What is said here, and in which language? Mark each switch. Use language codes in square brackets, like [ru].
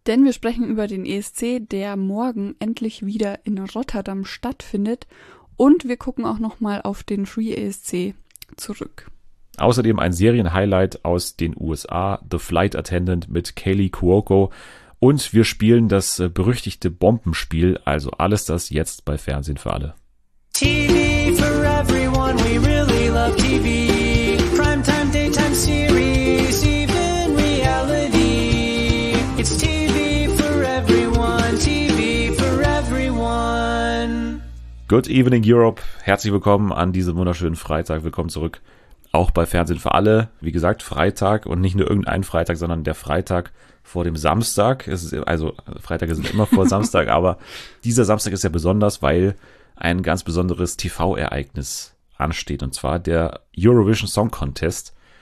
[de] Denn wir sprechen über den ESC, der morgen endlich wieder in Rotterdam stattfindet. Und wir gucken auch nochmal auf den Free ESC zurück. Außerdem ein Serienhighlight aus den USA, The Flight Attendant mit Kaley Cuoco. Und wir spielen das berüchtigte Bombenspiel, also alles das jetzt bei Fernsehen für alle. [en] TV for everyone, we really love TV. Primetime, daytime series, even reality. It's TV for everyone, TV for everyone. Good evening, Europe. [de] Herzlich willkommen an diesem wunderschönen Freitag. Willkommen zurück. Auch bei Fernsehen für alle. Wie gesagt, Freitag und nicht nur irgendein Freitag, sondern der Freitag vor dem Samstag. Es ist, also Freitag ist immer vor Samstag, aber dieser Samstag ist ja besonders, weil ein ganz besonderes TV-Ereignis ansteht, und zwar der Eurovision Song Contest.